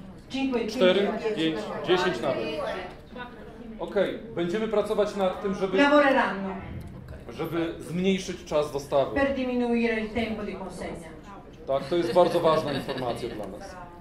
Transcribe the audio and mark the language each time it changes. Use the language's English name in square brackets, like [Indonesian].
[Polish] Pięć, cztery, pięć, dziesięć nawet. Okej, okay. Będziemy pracować nad tym, żeby... [Italian] Lavoreranno. [Polish] Żeby zmniejszyć czas dostawy. [Italian] Per diminuire il tempo di consegna. [Polish] Tak, to jest bardzo ważna informacja dla nas.